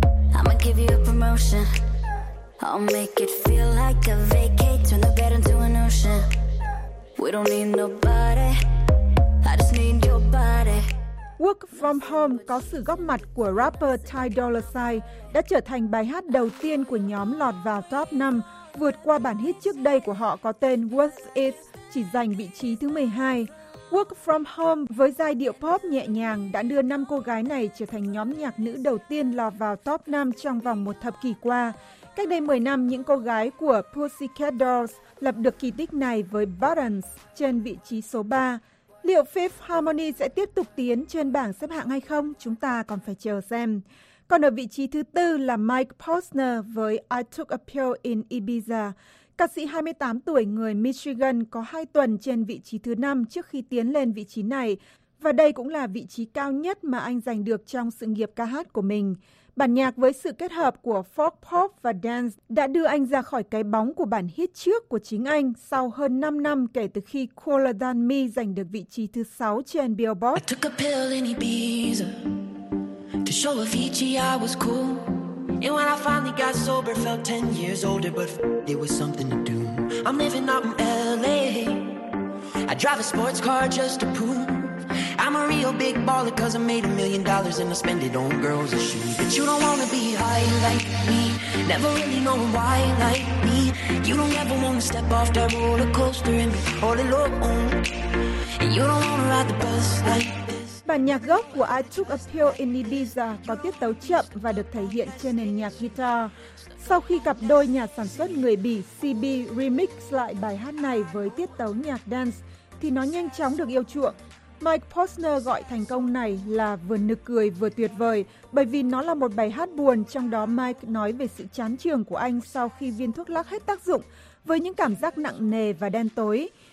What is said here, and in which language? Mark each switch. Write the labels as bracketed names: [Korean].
[English] I'll make it feel like a vacate, turn the bed into an ocean. We don't need nobody, I just need your body. [Vietnamese] Work From Home có sự góp mặt của rapper Ty Dolla $ign đã trở thành bài hát đầu tiên của nhóm lọt vào top 5, vượt qua bản hit trước đây của họ có tên What If, chỉ giành vị trí thứ 12. Work From Home với giai điệu pop nhẹ nhàng đã đưa 5 cô gái này trở thành nhóm nhạc nữ đầu tiên lọt vào top 5 trong vòng một thập kỷ qua. Cách đây 10 năm, những cô gái của Pussycat Dolls lập được kỳ tích này với Buttons trên vị trí số 3. Liệu Fifth Harmony sẽ tiếp tục tiến trên bảng xếp hạng hay không? Chúng ta còn phải chờ xem. Còn ở vị trí thứ 4 là Mike Posner với I Took a Pill in Ibiza. Ca sĩ 28 tuổi người Michigan có 2 tuần trên vị trí thứ 5 trước khi tiến lên vị trí này. Và đây cũng là vị trí cao nhất mà anh giành được trong sự nghiệp ca hát của mình. Bản nhạc với sự kết hợp của folk pop và dance đã đưa anh ra khỏi cái bóng của bản hit trước của chính anh sau hơn 5 năm kể từ khi Cooler Than Me giành được vị trí thứ 6 trên Billboard. [English] I took a pill in Ibiza to show a Vichy I was cool. And when I finally got sober, felt 10 years older, but it was something to do. I'm living out in LA, I drive a sports car just to prove I'm a real big baller, cause I made $1 million and I spend it on girls and shoes. But you don't wanna be high like me, never really know why like me. You don't ever wanna step off that roller coaster and be all alone. And you don't wanna ride the bus like [Vietnamese] bản nhạc gốc của I Took a Pill in Ibiza có tiết tấu chậm và được thể hiện trên nền nhạc guitar. Sau khi cặp đôi nhà sản xuất người Bỉ CB remix lại bài hát này với tiết tấu nhạc dance, thì nó nhanh chóng được yêu chuộng. Mike Posner gọi thành công này là vừa nực cười vừa tuyệt vời, bởi vì nó là một bài hát buồn, trong đó Mike nói về sự chán chường của anh sau khi viên thuốc lắc hết tác dụng, với những cảm giác nặng nề và đen tối.